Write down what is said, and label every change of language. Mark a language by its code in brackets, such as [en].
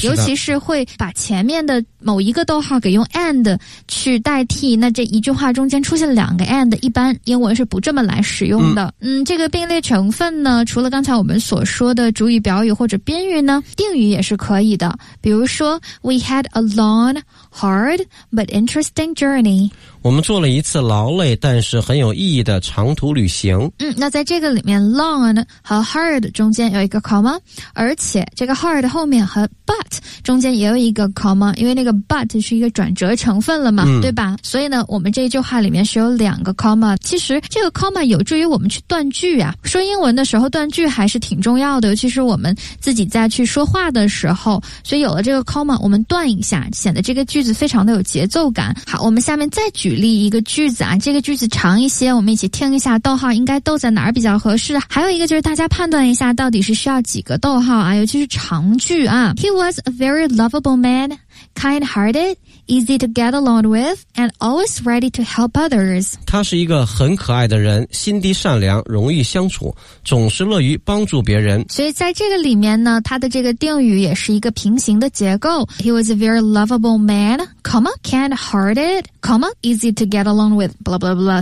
[zh] 尤其是会把前面的某一个逗号给用 and 去代替，那这一句话中间出现两个 and， 一般英文是不这么来使用的。嗯，这个并列成分呢，除了刚才我们所说的主语、表语或者宾语呢，定语也是可以的。比如说 [en] ，We had a long, hard but interesting journey。 [zh] 我们做了一次劳累但是很有意义的长途旅行。嗯，那在这个里面 ，long 和 hard 中间有一个 comma， 而且这个 hard 后面和 but 中间也有一个 comma， 因为那个 but 是一个转折成分了嘛，嗯，对吧？所以呢我们这一句话里面是有两个 comma， 其实这个 comma 有助于我们去断句啊。说英文的时候断句还是挺重要的，尤其是我们自己在去说话的时候，所以有了这个 comma 我们断一下，显得这个句子非常的有节奏感。好，我们下面再举例一个句子啊，这个句子长一些，我们一起听一下逗号应该逗在哪儿比较合适。还有一个就是大家判断一下到底是需要几个逗号啊，尤其是长句啊。 [en] He was a very lovable man, kind-hearted, easy to get along with, and always ready to help others. [zh] 他是一个很可爱的人，心地善良，容易相处，总是乐于帮助别人。所以在这个里面呢，他的这个定语也是一个平行的结构。 [en] He was a very lovable man, kind-hearted, easy to get along with, blah blah blah.